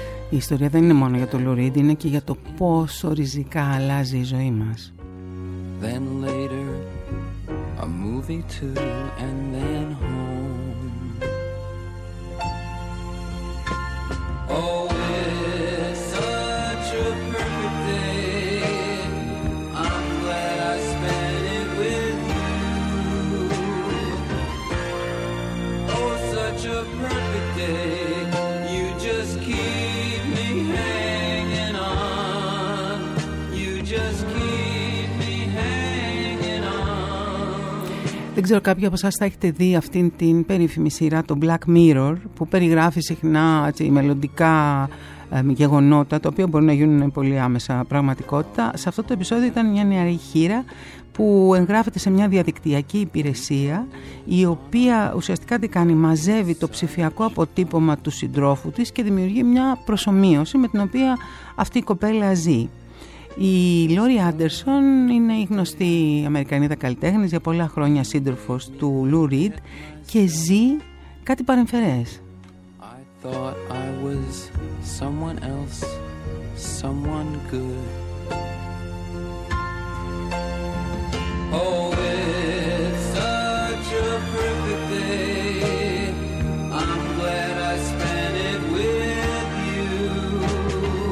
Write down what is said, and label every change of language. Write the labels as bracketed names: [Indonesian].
[Greek] Η ιστορία δεν είναι μόνο για το Lou Reed, είναι και για το πόσο ριζικά αλλάζει η ζωή μας. [English] Then later, a movie too, and then home. Oh, it's such a perfect day. I'm glad I spent it with you. Oh, such a perfect day. You just keep me hanging on. You just keep. [Greek] Δεν ξέρω, κάποιοι από εσάς θα έχετε δει αυτήν την περίφημη σειρά, το Black Mirror, που περιγράφει συχνά μελλοντικά γεγονότα, τα οποία μπορούν να γίνουν πολύ άμεσα πραγματικότητα. Σε αυτό το επεισόδιο ήταν μια νεαρή χείρα που εγγράφεται σε μια διαδικτυακή υπηρεσία, η οποία ουσιαστικά τι κάνει, μαζεύει το ψηφιακό αποτύπωμα του συντρόφου της και δημιουργεί μια προσομοίωση με την οποία αυτή η κοπέλα ζει. Η Λόρι Άντερσον είναι η γνωστή Αμερικανίδα καλλιτέχνης, για πολλά χρόνια σύντροφος του Lou Reed, και ζει κάτι παρεμφερές. [English] I thought I was someone else, someone good. Oh, it's such a perfect day. I'm glad I spent it with you.